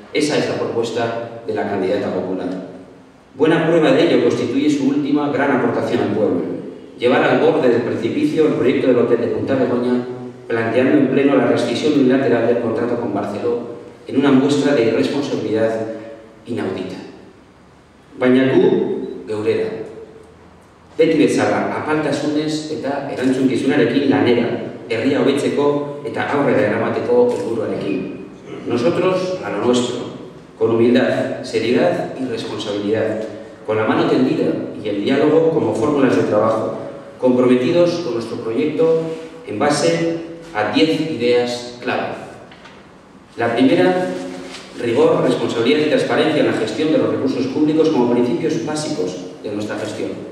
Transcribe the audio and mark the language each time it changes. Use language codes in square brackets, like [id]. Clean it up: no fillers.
[es] Esa es la propuesta de la candidata popular. Buena prueba de ello constituye su última gran aportación al pueblo. Llevar al borde del precipicio el proyecto del hotel de Punta Begoña, planteando en pleno la rescisión unilateral del contrato con Barceló en una muestra de irresponsabilidad inaudita. [eu] Baina gu, geurera. Beti bezala, apaltasunez eta erantzunkizunarekin lanera, herria hobetzeko eta aurrera eramateko helburuarekin. [es] Nosotros, a lo nuestro, con humildad, seriedad y responsabilidad, con la mano tendida y el diálogo como fórmulas de trabajo, comprometidos con nuestro proyecto en base a 10 ideas clave. La primera, rigor, responsabilidad y transparencia en la gestión de los recursos públicos como principios básicos de nuestra gestión.